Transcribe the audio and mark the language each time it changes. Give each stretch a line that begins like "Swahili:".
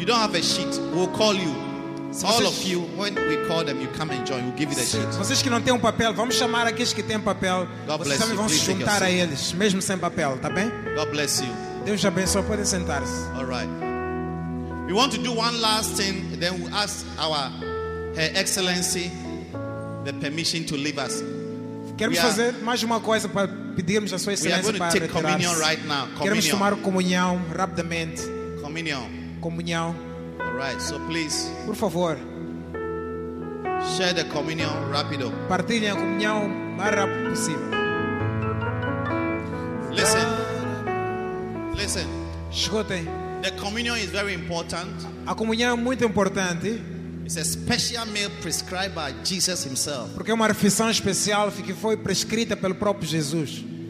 English: You don't have a sheet, we'll call you. All of you, when we call them, you come and join. We'll give you the sheet.
Portuguese: Vocês que não têm um papel, vamos chamar aqueles que têm papel.
English: God bless
Portuguese: vocês
English: you.
Portuguese: Vão se juntar a eles, mesmo sem papel, tá bem?
English: God bless you.
Portuguese: Deus abençoe. Podem sentar-se.
English: All right. We want to do one last thing, then we ask our Her Excellency the permission to leave us.
Portuguese: Queremos fazer mais uma coisa para pedirmos a Sua Excelência para retirar-se.
English: We are going to take communion right now. Communion.
Portuguese: Queremos tomar comunhão rapidamente.
English: Communion.
Portuguese: Comunhão.
English: Right, so please,
Portuguese: por favor,
English: share the communion rapido.
Portuguese: Partilhem a comunhão o mais rápido possível.
English: Listen, listen.
Portuguese: Escutem.
English: The communion is very important.
Portuguese: A comunhão é muito importante.
English: It's a special meal prescribed by Jesus himself.
Portuguese: Porque é uma refeição especial que foi prescrita pelo próprio Jesus.